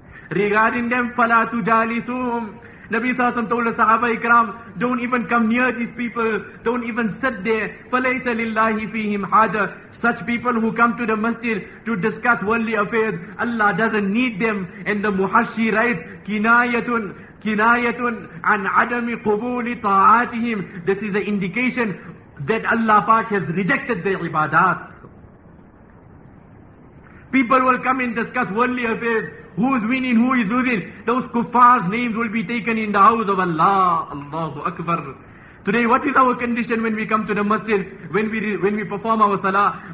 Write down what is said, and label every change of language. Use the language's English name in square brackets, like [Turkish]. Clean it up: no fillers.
[English] Regarding them, falatu jalisuhum. Nabi Sassam told the Sahaba Ikram, don't even come near these people, don't even sit there. [Arabic] فَلَيْسَ لِلَّهِ فِيهِمْ حَاجَةٌ. [English] Such people who come to the masjid to discuss worldly affairs, Allah doesn't need them. And the Muhashshi writes, [Arabic] كِنَايَةٌ عَنْ عَدَمِ قُبُولِ طَاعَاتِهِمْ. [English] This is an indication that Allah Pak has rejected their ibadat. People will come and discuss worldly affairs. Who's winning, who is losing? Those kuffar's names will be taken in the house of Allah. Allahu Akbar. Today, what is our condition when we come to the masjid, when we perform our salah?